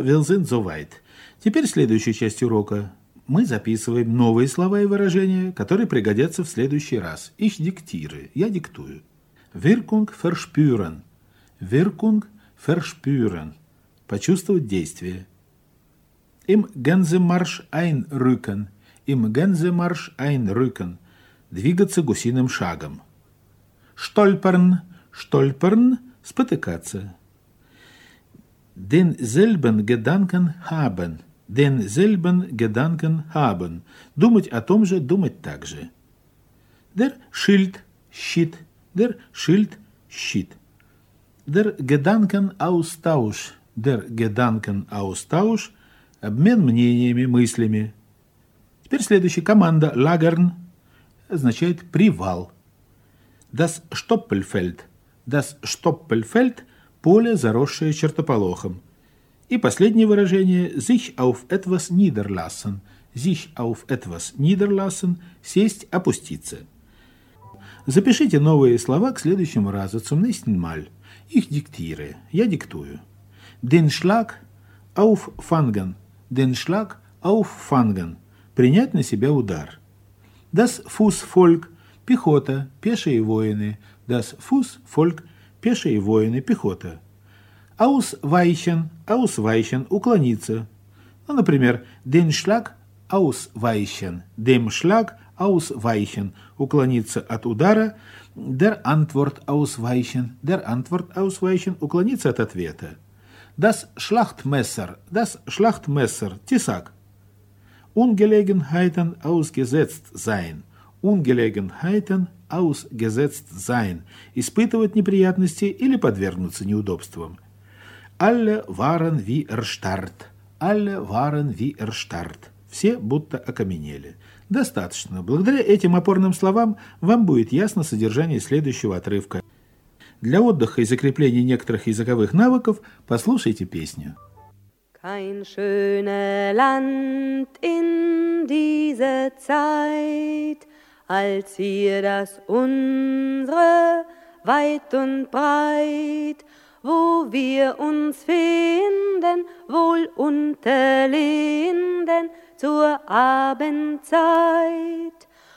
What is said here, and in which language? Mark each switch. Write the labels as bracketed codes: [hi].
[de] Wir sind soweit. [ru] Теперь следующая часть урока. Мы записываем новые слова и выражения, которые пригодятся в следующий раз. [de] Ich diktiere. [ru] Я диктую. [de] Wirkung verspüren. Wirkung verspüren. [ru] Почувствовать действие. [de] Im Gänsemarsch einrücken. Im Gänsemarsch einrücken. [ru] Двигаться гусиным шагом. [de] Stolpern. Stolpern. [ru] Спотыкаться. [de] Denselben Gedanken haben. Denselben Gedanken haben. [ru] Думать о том же, думать так же. [de] Der Schild. [ru] Щит. [de] Der Schild. Щит. Der Gedankenaustausch. Der Gedankenaustausch. [ru] Обмен мнениями, мыслями. Теперь следующая команда. [de] Lagern. [ru] Означает привал. [de] Das Stoppelfeld. Das Stoppelfeld. [ru] Поле, заросшее чертополохом. И последнее выражение. [de] Sich auf etwas niederlassen. Sich auf etwas niederlassen. [ru] Сесть, опуститься. Запишите новые слова к следующему разу. [de] Zum nächsten Mal. Ich diktiere. [ru] Я диктую. [de] Den Schlag auffangen. Den Schlag auffangen. [ru] Принять на себя удар. [de] Das Fußvolk. [ru] Пехота, пешие воины. [de] Das Fußvolk. [ru] Пешие воины, пехота. [de] Ausweichen. Ausweichen. [ru] Уклониться. Ну, например, [de] den Schlag ausweichen. Dem Schlag ausweichen. [ru] Уклониться от удара. [de] Der Antwort ausweichen. Der Antwort ausweichen. [ru] Уклониться от ответа. [de] Das Schlachtmesser. Das Schlachtmesser. [ru] Тесак. [de] Ungelegenheiten ausgesetzt sein. Ungelegenheiten ausgesetzt sein. [ru] Испытывать неприятности или подвергнуться неудобствам. [de] Alle waren wie erstarrt. Alle waren wie erstarrt. [ru] Все будто окаменели. Достаточно. Благодаря этим опорным словам вам будет ясно содержание следующего отрывка. Для отдыха и закрепления некоторых языковых навыков послушайте песню. [de] Kein schönes Land in diese Zeit, als hier das unsere weit und breit, wo wir uns finden, wohl unter Linden zur Abendzeit.